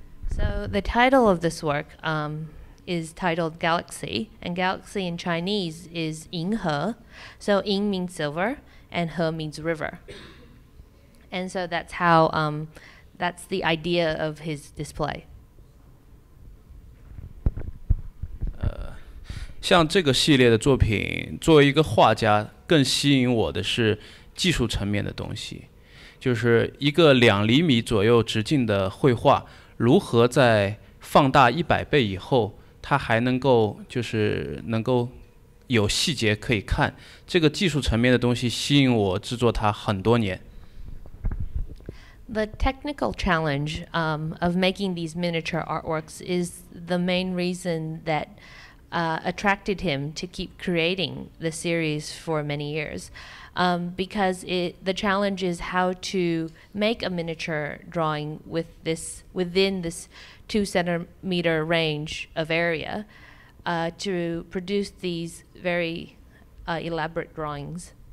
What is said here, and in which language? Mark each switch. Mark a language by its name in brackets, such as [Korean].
[English] So the title of this work, is titled Galaxy, and Galaxy in Chinese is 银河. So 银 means silver, and 河 means river. And so that's how, that's the idea of his display. [Chinese] 像这个系列的作品，作为一个画家，更吸引我的是技术层面的东西，就是一个两厘米左右直径的绘画，如何在放大100倍以后它还能够就是能够有细节可以看，这个技术层面的东西吸引我制作它很多年。 [English] The technical challenge of making these miniature artworks is the main reason that attracted him to keep creating the series for many years. Because the challenge is how to make a miniature drawing within this 2-centimeter range of area to produce these very elaborate drawings.